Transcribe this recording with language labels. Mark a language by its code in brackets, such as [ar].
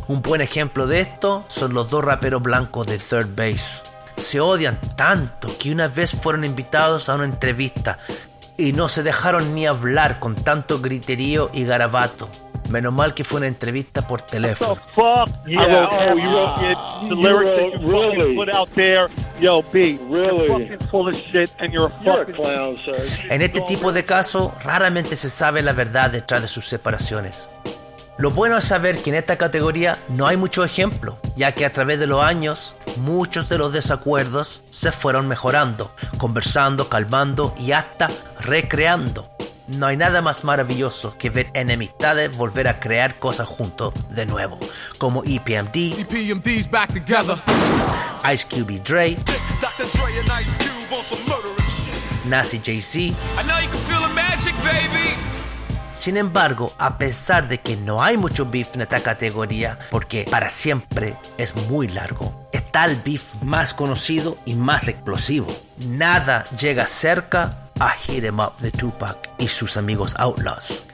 [es] Un buen ejemplo de esto son los dos raperos blancos de Third Base. Se odian tanto que una vez fueron invitados a una entrevista y no se dejaron ni hablar con tanto griterío y garabato. Menos mal que fue una entrevista por teléfono. [en] What the fuck? Yeah, I wrote, oh, you wrote it. The lyrics that you really fucking put out there. Yo, B, really? You're fucking full of shit and you're a fucking you're a clown, sir. [es] En este tipo de casos, raramente se sabe la verdad detrás de sus separaciones. Lo bueno es saber que en esta categoría no hay mucho ejemplo, ya que a través de los años, muchos de los desacuerdos se fueron mejorando, conversando, calmando y hasta recreando. No hay nada más maravilloso que ver enemistades volver a crear cosas juntos de nuevo, como EPMD, [en] EPMD's back together. [es] Ice Cube y Dre, Nas y Jay-Z. [en] I know you can feel the magic, baby. [es] Sin embargo, a pesar de que no hay mucho beef en esta categoría, porque para siempre es muy largo, está el beef más conocido y más explosivo. Nada llega cerca a Hit Em Up de Tupac y sus amigos Outlaws.